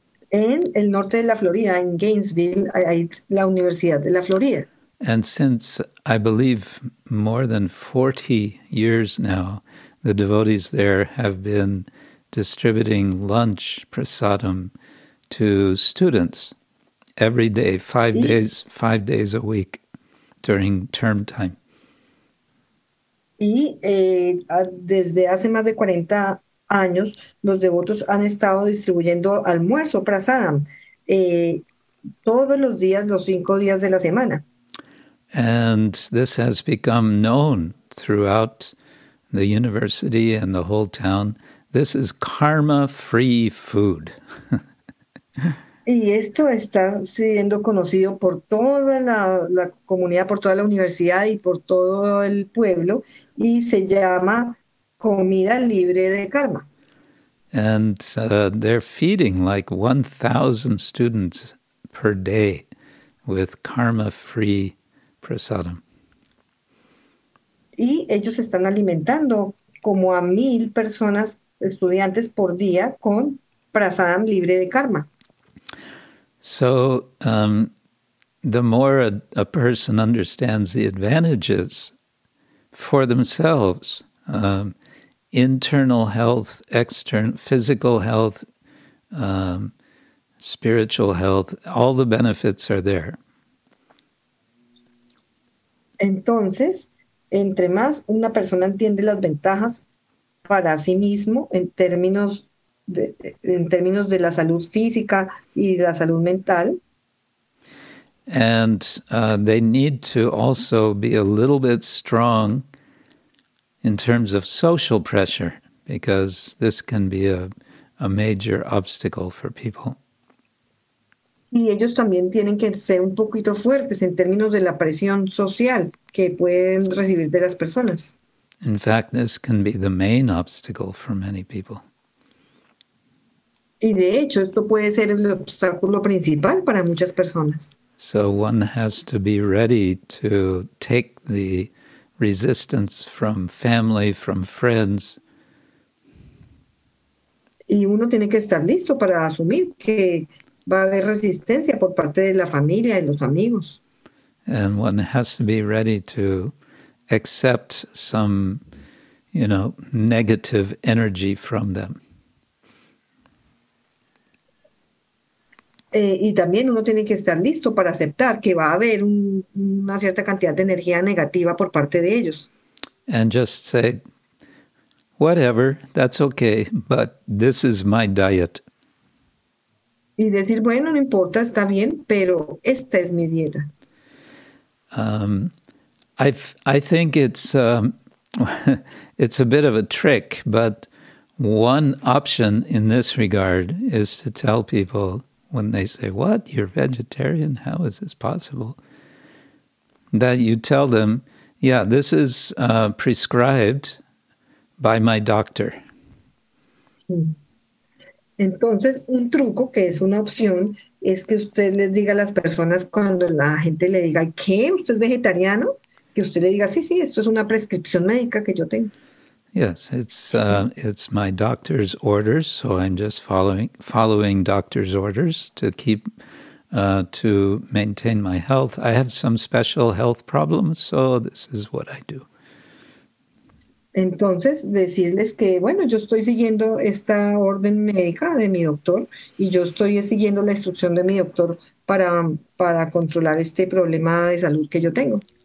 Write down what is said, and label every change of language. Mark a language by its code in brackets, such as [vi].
[es] En el norte de la Florida, en Gainesville, hay la Universidad de la Florida. [en] And since, I believe, more than 40 years now, the devotees there have been distributing lunch, prasadam, to students every day, five days a week during term time. [es] Y desde hace más de 40 años, los devotos han estado distribuyendo almuerzo, prasadam, todos los días, los cinco días de la semana. [en] And this has become known throughout the university and the whole town. This is karma-free food. [es] Y esto está siendo conocido por toda la comunidad, por toda la universidad y por todo el pueblo, y se llama comida libre de karma. [en] And they're feeding like 1,000 students per day with karma-free prasadam. [es] Y ellos están alimentando como a 1,000 personas, estudiantes por día, con prasadam libre de karma. [en] So the more a person understands the advantages for themselves, internal health, external physical health, spiritual health, all the benefits are there. [es] Entonces, entre más una persona entiende las ventajas para sí mismo en términos de la salud física y la salud mental. [en] And they need to also be a little bit strong in terms of social pressure, because this can be a major obstacle for people. [es] Y ellos también tienen que ser un poquito fuertes en términos de la presión social que pueden recibir de las personas. [en] In fact, this can be the main obstacle for many people. [es] Y de hecho, esto puede ser el obstáculo principal para muchas personas. [en] So one has to be ready to take the resistance from family, from friends. [es] Y uno tiene que estar listo para asumir que va a haber resistencia por parte de la familia, de los amigos. [en] And one has to be ready to accept some, you know, negative energy from them. [es] Y también uno tiene que estar listo para aceptar que va a haber una cierta cantidad de energía negativa por parte de ellos. [en] And just say, whatever, that's okay, but this is my diet. [es] Y decir, bueno, no importa, está bien, pero esta es mi dieta. [en] I think it's a bit of a trick, but one option in this regard is to tell people when they say, what, you're vegetarian? How is this possible? That you tell them, yeah, this is prescribed by my doctor. [es] Entonces, un truco que es una opción es que usted les diga a las personas cuando la gente le diga, ¿qué? ¿Usted es vegetariano? Que usted le diga, sí, sí, esto es una prescripción médica que yo tengo. [en] Yes, it's my doctor's orders, so I'm just following doctor's orders to keep to maintain my health. I have some special health problems, so this is what I do. [es] Entonces, decirles que, bueno, yo estoy siguiendo esta orden médica de mi doctor y yo estoy siguiendo la instrucción de mi doctor para controlar este problema de salud que yo tengo.